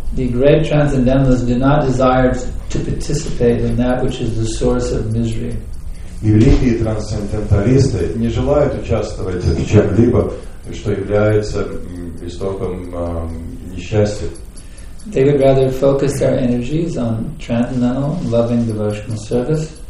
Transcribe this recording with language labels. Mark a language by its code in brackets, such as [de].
[en] The great transcendentalists do not desire to participate in that which is the source of misery. [ru] И великие трансценденталисты не желают участвовать в чем-либо, что является истоком несчастья. [en] They would rather focus their energies on transcendental loving devotional service.